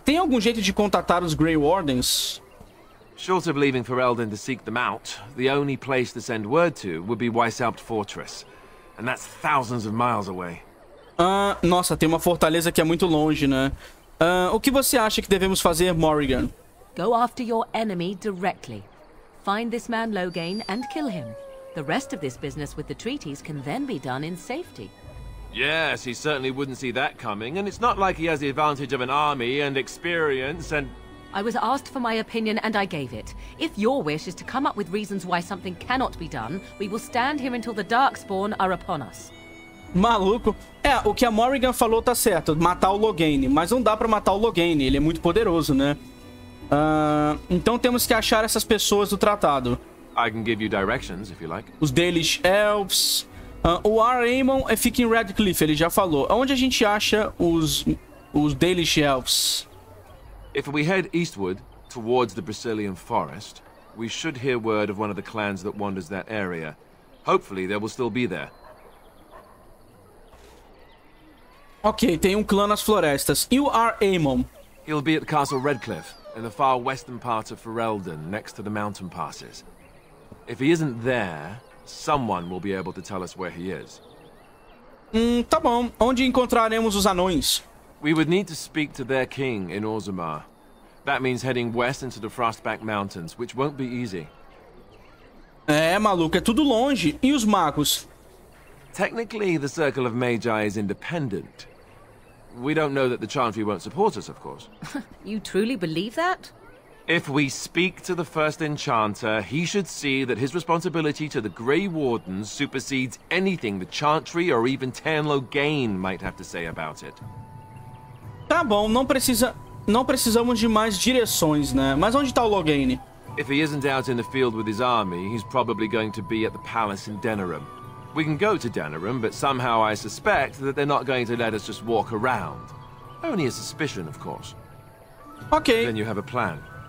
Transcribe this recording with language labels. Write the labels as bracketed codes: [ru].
[pt] Tem algum jeito de contatar os Grey Wardens? [en] Short of leaving for Elden to seek them out, the only place to send word to would be Weishaupt Fortress. And that's thousands of miles away. [pt] Nossa, tem uma fortaleza que é muito longe, né? O que você acha que devemos fazer, Morrigan? [en] Go after your enemy directly. Find this man Loghain and kill him. The rest of this business with the treaties can then be done in safety. Yes, he certainly wouldn't see that coming, and it's not like he has the advantage of an army and experience and... I was asked for my opinion and I gave it. If your wish is to come up with reasons why something cannot be done, we will stand here until the Darkspawn are upon us. [pt] Maluco. É, o que a Morrigan falou tá certo, matar o Loghain, mas não dá pra matar o Loghain, ele é muito poderoso, né? Então temos que achar essas pessoas do tratado. [en] I can give you directions, if you like. [pt] Os Dalish Elves. O Arleman fica em Redcliffe, ele já falou. Onde a gente acha os Dalish Elves? [en] If we head eastward, towards the Brasilian Forest, we should hear word of one of the clans that wanders that area. Hopefully, they will still be there. [pt] Ok, tem um clã nas florestas. E o Arleman? [en] He'll be at Castle Redcliffe, in the far western part of Ferelden, next to the mountain passes. If he isn't there, someone will be able to tell us where he is. [pt] Tá bom. Onde encontraremos os anões? [en] We would need to speak to their king in Orzammar. That means heading west into the Frostback Mountains, which won't be easy. [pt] É, maluco, é tudo longe. E os magos? [en] Technically, the Circle of Magi is independent. We don't know that the Chantry won't support us, of course. You truly believe that? If we speak to the First Enchanter, he should see that his responsibility to the Grey Wardens supersedes anything the Chantry or even Tan Loghain might have to say about it. [pt] Tá bom, não precisamos de mais direções, né? Mas onde tá o Loghain? [en] If he isn't out in the field with his army, he's probably going to be at the palace in Denerim. We can go to Denerim, but somehow I suspect that they're not going to let us just walk around. Only a suspicion, of course. Okay. Then you have a plan.